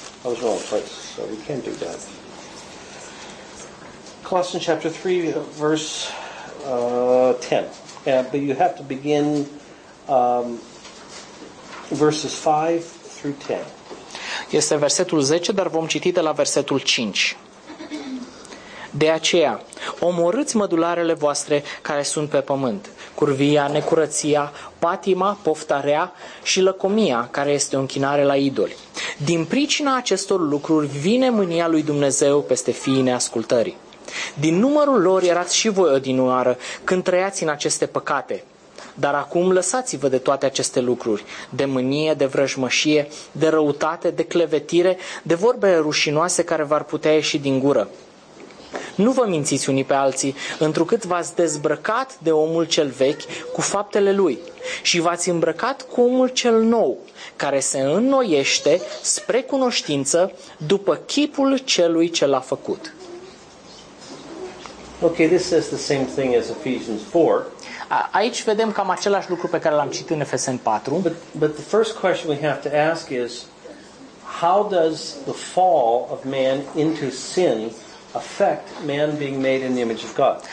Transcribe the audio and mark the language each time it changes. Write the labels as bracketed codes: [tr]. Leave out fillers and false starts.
[en] I was wrong twice, so we can't do that. Colossians chapter 3, verse 10. Yeah, but you have to begin verses 5 through 10. [ro] Este versetul 10, dar vom citi de la versetul 5. De aceea, omorâți mădularele voastre care sunt pe pământ, curvia, necurăția, patima, pofta rea și lăcomia, care este o închinare la idoli. Din pricina acestor lucruri vine mânia lui Dumnezeu peste fiii neascultării. Din numărul lor erați și voi odinioară când trăiați în aceste păcate. Dar acum lăsați-vă de toate aceste lucruri, de mânie, de vrăjmășie, de răutate, de clevetire, de vorbe rușinoase care v-ar putea ieși din gură. Nu vă mințiți unii pe alții, întrucât v-ați dezbrăcat de omul cel vechi cu faptele lui și v-ați îmbrăcat cu omul cel nou, care se înnoiește spre cunoștință după chipul celui ce l-a făcut. [en] Okay, this says the same thing as Ephesians 4. [ro] Aici vedem cam același lucru pe care l-am citit în Efeseni 4. [en] But the first question we have to ask is, how does the fall of man into sin affect man being made in the image of God?